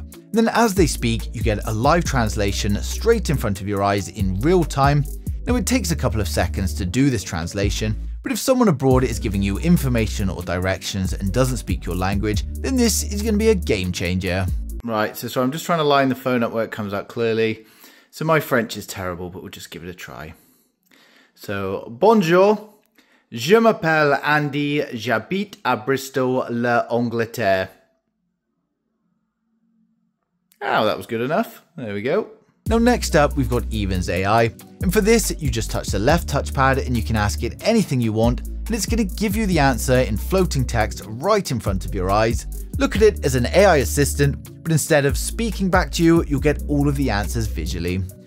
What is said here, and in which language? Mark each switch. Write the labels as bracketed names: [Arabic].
[English] And then as they speak, you get a live translation straight in front of your eyes in real time. Now, it takes a couple of seconds to do this translation, but if someone abroad is giving you information or directions and doesn't speak your language, then this is going to be a game changer. Right, so I'm just trying to line the phone up where it comes out clearly. So my French is terrible, but we'll just give it a try. [French] So, bonjour, je m'appelle Andy, j'habite à Bristol, l'Angleterre. [English] Oh, that was good enough. There we go. Now next up, we've got Evens AI, and for this, you just touch the left touchpad and you can ask it anything you want, and it's going to give you the answer in floating text right in front of your eyes. Look at it as an AI assistant, but instead of speaking back to you, you'll get all of the answers visually.